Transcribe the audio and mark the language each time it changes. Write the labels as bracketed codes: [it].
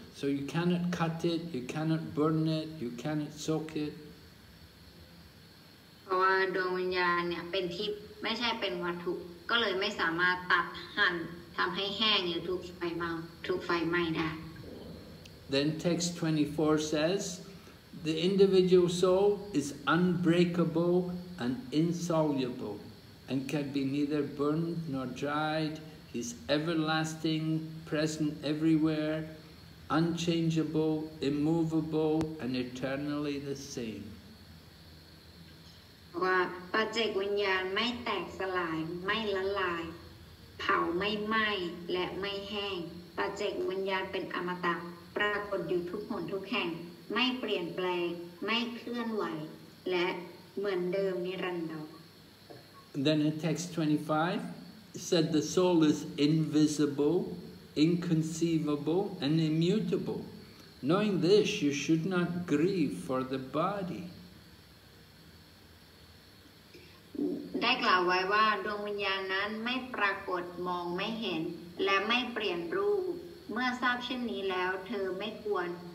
[en] So you cannot cut it, you cannot burn it, you cannot soak it. [th] เพราะว่าดวงวิญญาณเนี่ยเป็นทิพย์ไม่ใช่เป็นวัตถุก็เลยไม่สามารถตัดหั่นทำให้แห้งหรือถูกไฟไหม้ได้ [en] Then text 24 says,The individual soul is unbreakable and insoluble and can be neither burned nor dried. He's everlasting, present everywhere, unchangeable, immovable, and eternally the same. [th] ว่าปัจเจกวิญญาณไม่แตกสลายไม่ละลายเผาไม่ไหม้และไม่แห้งปัจเจกวิญญาณเป็นอมตะปรากฏอยู่ทุกหนทุกแห่งไม่เปลี่ยนแปลงไม่เคลื่อนไหวและเหมือนเดิมนิรันดร [en] Then in text 25 said the soul is invisible, inconceivable and immutable. Knowing this, you should not grieve for the body. [th] ได้กล่าวไว้ว่าดวงวิญญาณนั้นไม่ปรากฏมองไม่เห็นและไม่เปลี่ยนรูปเมื่อทราบเช่นนี้แล้วเธอไม่ควร